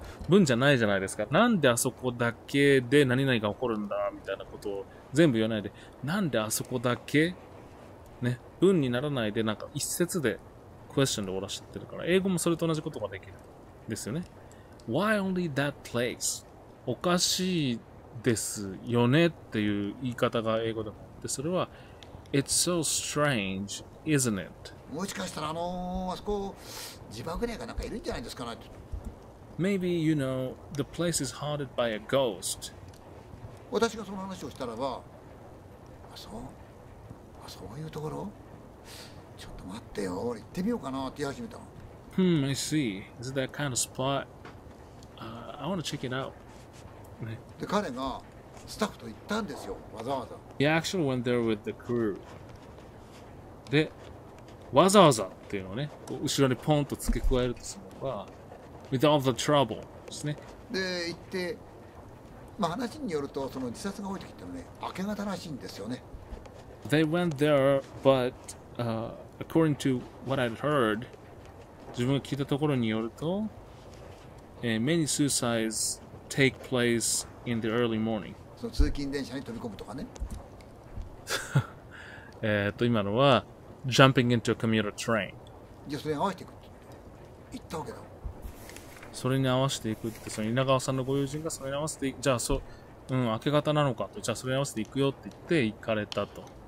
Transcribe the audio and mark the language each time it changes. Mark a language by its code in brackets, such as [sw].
[ja] 文じゃないじゃないですか。なんであそこだけで何々が起こるんだみたいなことを全部言わないで、なんであそこだけね、文にならないで、なんか一節でクエスチョンで終わらせてるから、英語もそれと同じことができるんですよね。 [en] Why only that place? [ja] おかしいですよねっていう言い方が英語でもで、それは [en] It's so strange, isn't it? [ja] もしかしたらあそこ自爆霊がなんかいるんじゃないですかね。 [en] Maybe you know the place is haunted by a ghost。 [ja] 私がその話をしたらば、そういうところ、ちょっと待ってよ、行ってみようかなって言い始めたの。 [en] I see. Is that kind of spot? I want to check it out。 [ja] で彼がスタッフと行ったんですよ、わざわざ。 [en] He actually went there with the crew。 で。 [ja] わざわざっていうのをね、こう後ろにポンと付け加えるとすれば、 [en] with all the trouble [ja] ですね。で、行って、まあ話によると、その自殺が多い時ってのね、明け方らしいんですよね。 [en] They went there, but according to what I'd heard, [ja] 自分が聞いたところによると、 [en] many suicides take place in the early morning。 [ja] その通勤電車に飛び込むとかね。 [en] 今のは、Jumping into a commuter train. [ja] それに合わせていくって言ったわけだ。それに合わせていくって、その稲川さんのご友人がそれに合わせて、じゃあそう、うん、明け方なのかと、じゃあそれに合わせていくよって言って行かれたと。